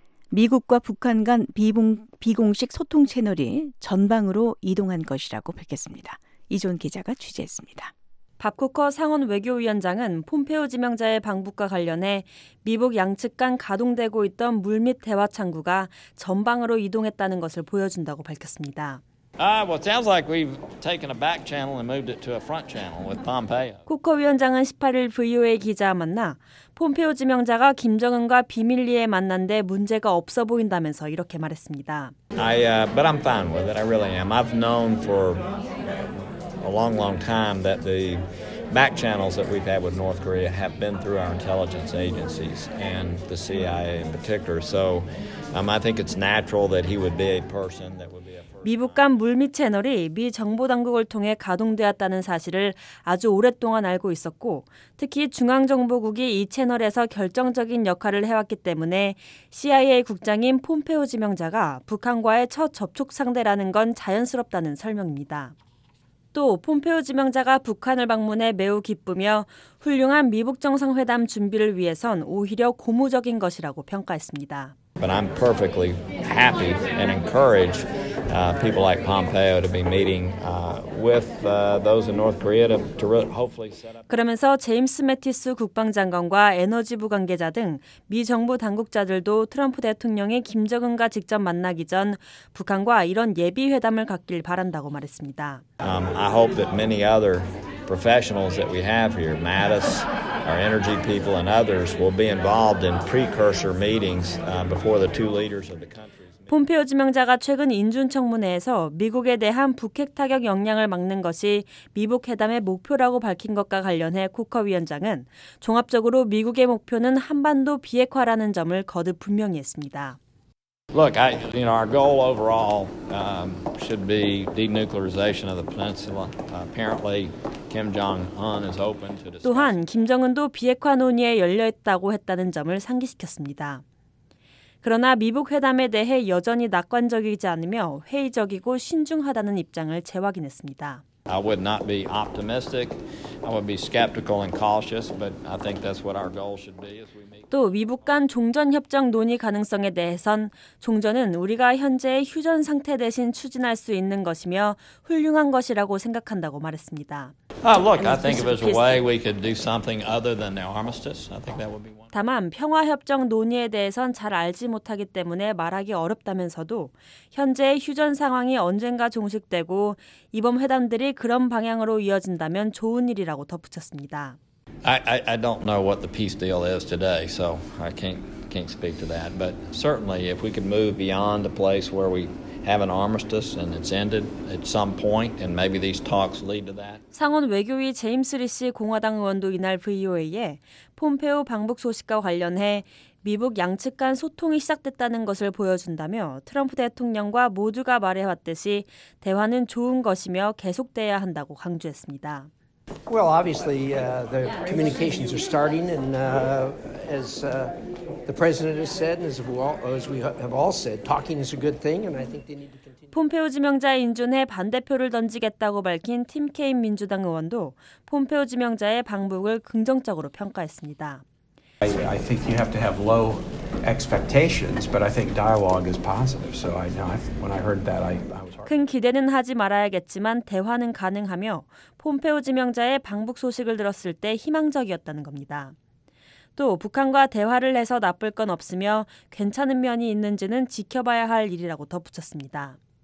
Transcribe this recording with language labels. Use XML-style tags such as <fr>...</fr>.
<ko>미국과 북한 간 비공식 소통 채널이 전방으로 이동한 것이라고 밝혔습니다. 이존 기자가 취재했습니다. 밥 코커 상원 외교위원장은 폼페오 지명자의 방북과 관련해 미북 양측 간 가동되고 있던 물밑 대화 창구가 전방으로 이동했다는 것을 보여준다고 밝혔습니다.</ko> <en>Well, it sounds like we've taken a back channel and moved it to a front channel with Pompeo.</en> <ko>코커 위원장은 18일 VOA 기자와 만나 폼페오 지명자가 김정은과 비밀리에 만난 데 문제가 없어 보인다면서 이렇게 말했습니다.</ko> <en>But I'm fine with it. I really am. I've known for a long, long time that the back channels that we've had with North Korea have been through our intelligence agencies and the CIA in particular. So I think it's natural that he would be a person that would be a</en> <ko>미북 간 물밑 채널이 미 정보당국을 통해 가동되었다는 사실을 아주 오랫동안 알고 있었고 특히 중앙정보국이 이 채널에서 결정적인 역할을 해왔기 때문에 CIA 국장인 폼페오 지명자가 북한과의 첫 접촉 상대라는 건 자연스럽다는 설명입니다. 또 폼페오 지명자가 북한을 방문해 매우 기쁘며 훌륭한 미북 정상회담 준비를 위해선 오히려 고무적인 것이라고 평가했습니다.</ko> <en>But I'm perfectly happy and encourage people like Pompeo to be meeting with those in North Korea to hopefully set up.</en> <ko>그러면서 제임스 매티스 국방장관과 에너지부 관계자 등 미 정부 당국자들도 트럼프 대통령이 김정은과 직접 만나기 전 북한과 이런 예비 회담을 갖길 바란다고 말했습니다.</ko> <en>I hope that many other professionals that we have here, Mattis, our energy people and others will be involved in precursor meetings before the two leaders of the country.</en> <ko>폼페오 지명자가 최근 인준 청문회에서 미국에 대한 북핵 타격 역량을 막는 것이 미북 회담의 목표라고 밝힌 것과 관련해 코커 위원장은 종합적으로 미국의 목표는 한반도 비핵화라는 점을 거듭 분명히 했습니다.</ko> <en>Look, our goal overall should be denuclearization of the peninsula. Apparently, Kim Jong-un is open to discuss.</en> <ko>또한 김정은도 비핵화 논의에 열려 있다고 했다는 점을 상기시켰습니다. 그러나 미북 회담에 대해 여전히 낙관적이지 않으며 회의적이고 신중하다는 입장을 재확인했습니다.</ko> <en>I would not be optimistic. I would be skeptical and cautious, but I think that's what our goal should be as we meet.</en> <ko>또 미북 간 종전 협정 논의 가능성에 대해선 종전은 우리가 현재의 휴전 상태 대신 추진할 수 있는 것이며 훌륭한 것이라고 생각한다고 말했습니다.</ko> <en>Look, I think if there's a way we could do something other than the armistice, I think that would be one.</en> <ko>다만 평화 협정 논의에 대해선 잘 알지 못하기 때문에 말하기 어렵다면서도 현재의 휴전 상황이 언젠가 종식되고 이번 회담들이 그런 방향으로 이어진다면 좋은 일이라고 덧붙였습니다.</ko> <en>I don't know what the peace deal is today, so I can't speak to that. But certainly, if we could move beyond the place where we have an armistice and it's ended at some point, and maybe these talks lead to that.</en> <ko>상원 외교위 제임스 리시 공화당 의원도 이날 VOA에 폼페오 방북 소식과 관련해 미북 양측 간 소통이 시작됐다는 것을 보여준다며 트럼프 대통령과 모두가 말해왔듯이 대화는 좋은 것이며 계속돼야 한다고 강조했습니다.</ko> <en>Well, obviously, the communications are starting, and as the president has said, and as we have all said, talking is a good thing, and I think they need to continue.</en> <ko>폼페오 지명자의 인준에 반대표를 던지겠다고 밝힌 팀 케인 민주당 의원도 폼페오 지명자의 방북을 긍정적으로 평가했습니다.</ko> <en>I think you have to have low expectations, but I think dialogue is positive. So when I heard that, I.</en> <ko>큰 기대는 하지 말아야겠지만 대화는 가능하며 폼페오 지명자의 방북 소식을 들었을 때 희망적이었다는 겁니다. 또 북한과 대화를 해서 나쁠 건 없으며 괜찮은 면이 있는지는 지켜봐야 할 일이라고 덧붙였습니다.</ko>